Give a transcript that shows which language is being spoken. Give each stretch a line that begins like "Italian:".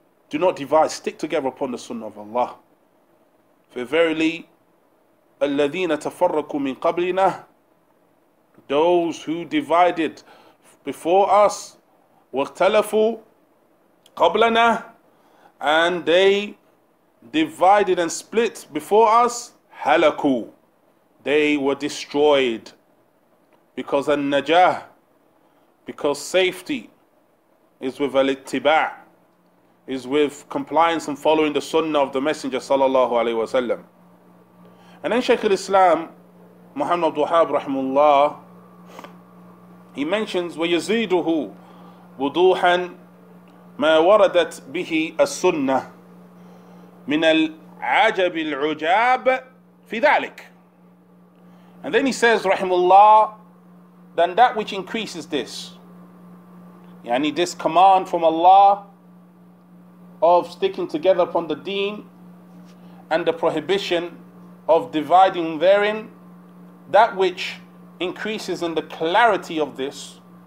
English: Do not divide, stick together upon the sunnah of Allah. For verily,
Arabic: الَّذِينَ تَفَرَّقُوا مِنْ قَبْلِنَا,
English: those who divided before us,
Arabic: وَاخْتَلَفُوا قَبْلَنَا,
English: and they divided and split before us,
Arabic: هَلَكُوا,
English: they were destroyed. Because
Arabic: النَّجَاه,
English: because safety is with al-ittiba', is with compliance and following the sunnah of the Messenger sallallahu alayhi wa sallam. And then Shaykh al-Islam, Muhammad Abdul Wahhab rahimullah, he mentions,
Arabic: وَيَزِيدُهُ وُضُوحًا مَا وَرَدَتْ بِهِ السُنَّةِ مِنَ الْعَجَبِ الْعُجَابِ فِي ذَلِكِ.
English: And then he says, rahimullah, then that which increases this, yani this command from Allah of sticking together upon the deen and the prohibition of dividing therein, that which increases in the clarity of this